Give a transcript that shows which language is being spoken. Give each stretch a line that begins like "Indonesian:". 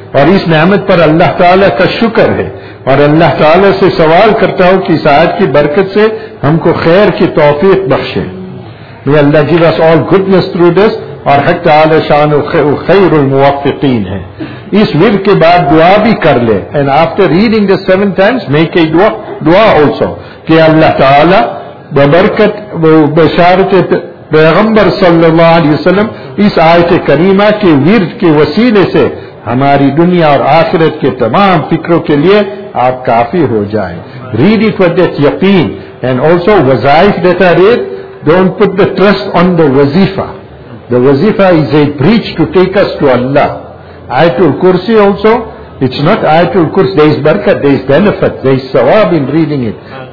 Urdu: اور اس نعمت پر اللہ تعالیٰ کا شکر ہے اور اللہ تعالیٰ سے سوال کرتا ہوں کہ اس آیت کی برکت سے ہم کو خیر کی توفیق بخشیں.
English: May Allah give us all goodness through this.
Urdu: اور حق تعالیٰ شان و خیر الموفقین ہے. اس ورد کے بعد دعا بھی کر لیں.
English: And after reading this 7 times make a dua also
Urdu: کہ اللہ تعالیٰ ببرکت بشارت پیغمبر صلی اللہ علیہ وسلم اس آیت کریمہ کے ورد کے وسیلے سے ہماری دنیا اور آخرت کے تمام فکروں کے لیے آپ کافی ہو جائیں.
English: Read it with that yaqeen and also wazaif that I read, don't put the trust on the wazifa. The wazifa is a bridge to take us to Allah. Ayatul Kursi also, it's not Ayatul Kursi, there is barakah, there is benefit, there is sawab in reading it.